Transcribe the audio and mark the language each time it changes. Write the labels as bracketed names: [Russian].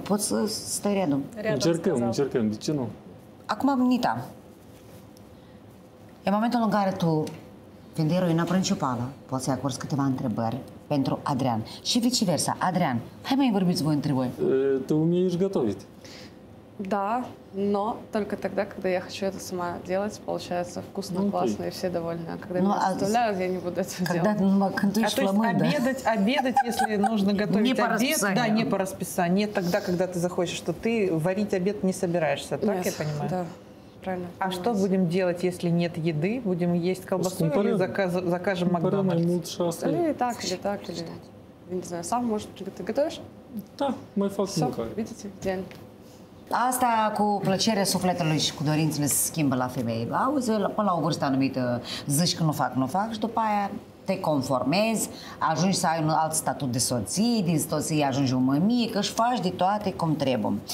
[Romanian] Poți să stai [Russian] рядом. [Romanian] Încercăm, de ce nu? Acum, Nita, e momentul în care tu, fiind eroina principală, poți să-i acorzi câteva întrebări pentru Adrian. Și viceversa, Adrian, hai mai vorbiți voi între voi. Tu umiești gătovit. [Russian] Да, но только тогда, когда я хочу это сама делать, получается вкусно, классно, и все довольны. А когда меня оставляют, я не буду этого делать. Обедать, если нужно готовить обед, да, не по расписанию. Нет, тогда, когда ты захочешь, что ты варить обед не собираешься, так я понимаю? Да. Правильно. А что будем делать, если нет еды? Будем есть колбасу или закажем Макдональдс? Или так. Я не знаю, сам, может, ты готовишь? Да, мой факт не кай. Видите, идеально. [Romanian] Asta cu plăcerea sufletului și cu dorințele se schimbă la femei. Auzi, până la o vârstă anumită, zici că nu fac și după aia te conformezi, ajungi să ai un alt statut de soție, din soție ajungi o mămie, că își faci de toate cum trebuie.